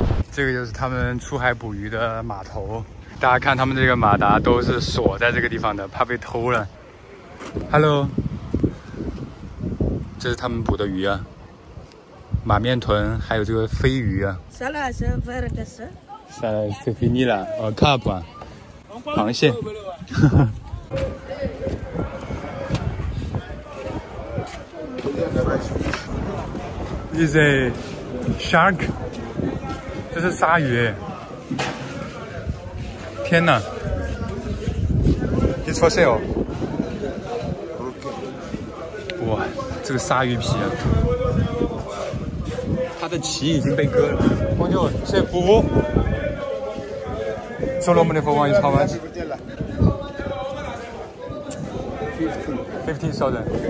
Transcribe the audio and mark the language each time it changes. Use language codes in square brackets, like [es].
[zh] 这个就是他们出海捕鱼的码头，大家看他们这个马达都是锁在这个地方的，怕被偷了。 Hello， 这是他们捕的鱼啊，马面豚还有这个飞鱼啊。 Salas vergas carp 啊，螃蟹。 [en] This is a shark. 这是鲨鱼。天哪！It's for sale. [zh] 哇，这个鲨鱼皮啊，它的鳍已经被割了。朋友，谢谢服务。 [en] So long, my friend. How much? $15,000.